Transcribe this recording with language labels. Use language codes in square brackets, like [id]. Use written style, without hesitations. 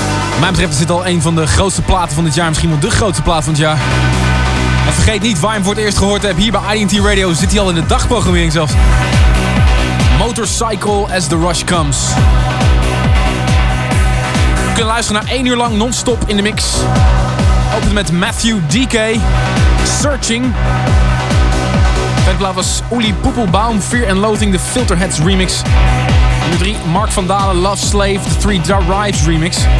[nl] Wat mij betreft is dit al een van de grootste platen van dit jaar. Misschien wel de grootste plaat van het jaar. En vergeet niet waar je hem voor het eerst gehoord hebt. Hier bij IDT Radio zit hij al in de dagprogrammering zelfs. [en] Motorcycle as the rush comes. [nl] We kunnen luisteren naar 1 uur lang non-stop in de mix. Opent met Matthew DK. Searching. Het plaat was Uli Poepelbaum, Fear and Loathing, de Filterheads remix. Nummer 3, Mark van Dalen, Love Slave, The Three Dark Rides remix.